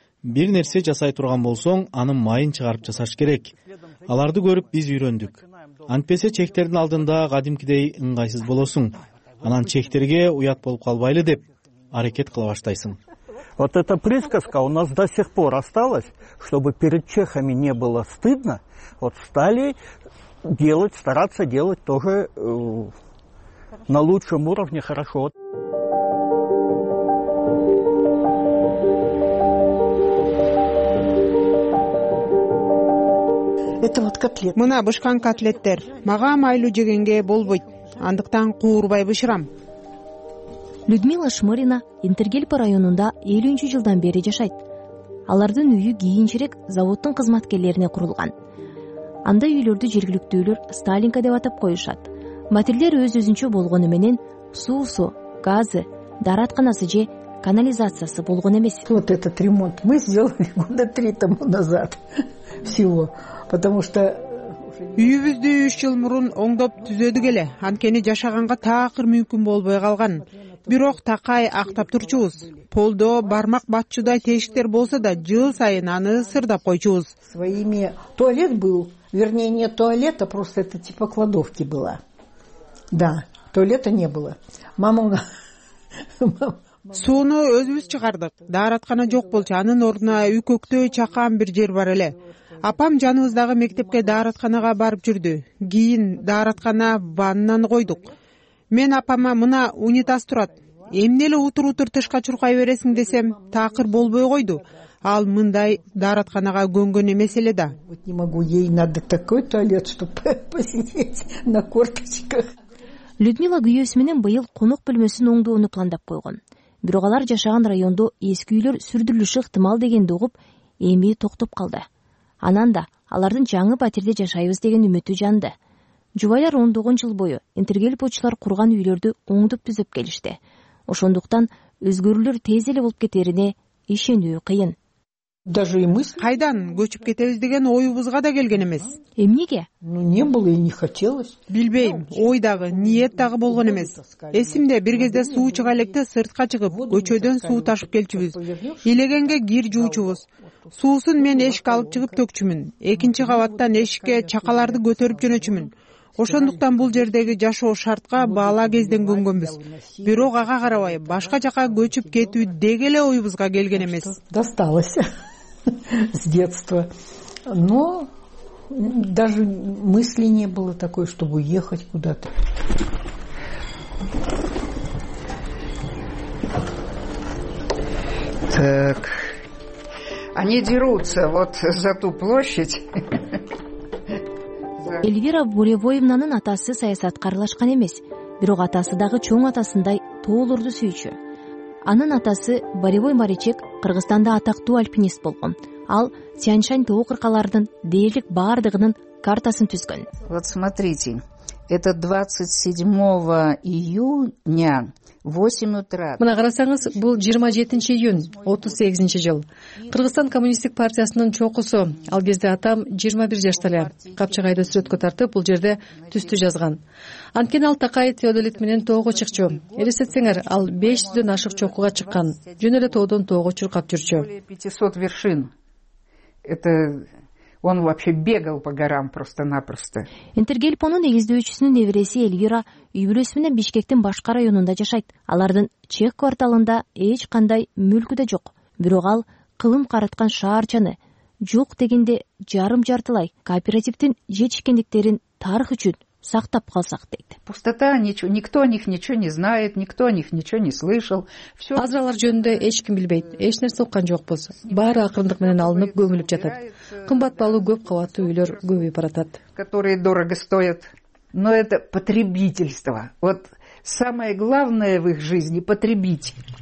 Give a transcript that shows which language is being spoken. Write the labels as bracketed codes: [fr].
[ky] Бир нерсе жасай турган болсоң, анын майын чыгарып жасаш керек. Аларды көрүп биз үйрөндүк. Антпесе чектердин алдында кадимкидей ыңгайсыз болосуң. Анан чектерге уят болуп калбайлы деп аракет кыла баштайсың. [ru] Вот эта присказка у нас до сих пор осталась, чтобы перед чехами не было стыдно. Вот стали делать, стараться делать тоже на лучшем уровне хорошо. Это вот котлет. [ky] Мына бышкан котлеттер. Мага майлуу жегенге болбойт. Андыктан куурбай бышырам. Людмила Шмырина Интергельпа районунда 50 жылдан бери жашайт. Алардын үйү кийинчерээк заводдун кызматкерлерине курулган. Андай үйлөрдү жергиликтүүлөр Сталинка деп атап коюшат. Материалдар өз-өзүнчө болгону менен суусу, газы, даратканасы же канализациясы болгон эмес. [ru] Вот этот ремонт мы сделали года 3 тому назад всего, потому что [ky] үйүбүздү 3 жыл мурун оңдоп түзөдүк эле. Анткени жашаганга таакыр мүмкүн болбой калган. Бирок такай актап турчубуз. Полдо бармак батчудай тешиктер болсо да жыл сайын аны сырдап койчубуз. [ru] Своими туалет был, вернее не туалет, а просто это типа кладовки была. Да, туалета не было. [ky] Мамага сууну өзүбүз чыгардык. Дааратканы жок болчу, анын ордуна үкөктөй чакан бир жер бар эле. Апам жаныбыздагы мектепке дааратканага барып жүрдү. Кийин дааратканага ваннаны койдук. Мен апама мына унитаз турат. Эмне эле утур-утур тышка чуркай бересиң десем, такыр болбой койду. Ал мындай дааратканага көнгөн эмес эле да. [ru] Вот не могу, ей надо такой туалет, чтобы посидеть на корточках. [ky] Людмила күйөөсү менен быйыл конок бөлмөсүн оңдоону пландап койгон. Бирок алар жашаган райондо эски үйлөр сүрдүрүлүшү ыктымал дегенди угуп, эми токтоп калды. Анан да алардын жаңы батирде жашайбыз деген үмүтү жанды. Жубайлар 10 жыл бою интергельпочулар курган үйлөрдү оңдоп түзөп келишти. Ошондуктан өзгөрүүлөр тез эле болуп кетерине ишенүү кыйын. [ru] Даже и мы [ky] кайдан көчүп кетебиз деген оюбузга да келген эмес. Эмнеге? [ru] Ну не было и не хотелось. [ky] Билбейм, ой дагы, ниет дагы болгон эмес. Эсимде бир кезде суу чыга электе сыртка чыгып, көчөдөн суу ташып келчүбүз. Илегенге кир жуучубуз. Суусун мен эшик алып чыгып төкчүмүн. Экинчи кабаттан эшикке чакаларды көтөрүп жөнөчүмүн. Ошондуктан бул жердеги жашоо шартка баала кезден көнгөнбүз. Бирок ага карабай башка жака көчүп кетүү деги эле оюбузга келген эмес. [ru] Досталось с детства. Но даже мысли не было такой, чтобы уехать куда-то. Так. Они дерутся вот за ту площадь. [ky] Эльвира Буревоевнанын атасы саясатка аралашкан эмес, бирок атасы дагы чоң атасындай тоолорду сүйчү. Анын атасы Боревой Маричек Кыргызстанда атактуу альпинист болгон. Ал Тянь-Шань тоо кыркаларынын дээрлик бардыгынын картасын түзгөн. [ru] Вот смотрите. Это 27 июня. 8 утра. [ky] Мына карасаңыз, бул 27 июнь, 38 жыл. Кыргызстан коммунисттик партиясынын чокусу. Ал кезде атам 21 жашта эле. Капчыгайды сүрөткө тартып, бул жерде түстү жазган. Анткени ал Такай Теодолит менен тоого чыкчу. Элестетсеңер, ал 500'дөн ашык чокуга чыккан. Жөн эле тоодон тоого чуркап жүрчү. [ru] 500 вершин. Это он вообще бегал по горам просто-напросто. [ky] Интергельпонун негиздөөчүсүнүн небереси Эльвира үй бүлөсү менен Бишкектин башка районунда жашайт. Алардын чек кварталында эч кандай мүлкү да жок. Бирок ал кылым караткан шаарчаны жок дегенде жарым жартылай кооперативдин жетишкендиктерин тарых үчүн сактап калсак дейт. [ru] Пустота, ничего, никто о них ничего не знает, никто о них ничего не слышал. Все. [ky] Азыр алар жөнүндө эч ким билбейт. Эч нерсе уккан жокпуз. Баары акырындык менен алынып көмүлүп жатат. Кымбат баалуу көп кабаттуу үйлөр көбөйүп баратат. [ru] Которые дорого стоят. Но это потребительство. Вот самое главное в их жизни потребить.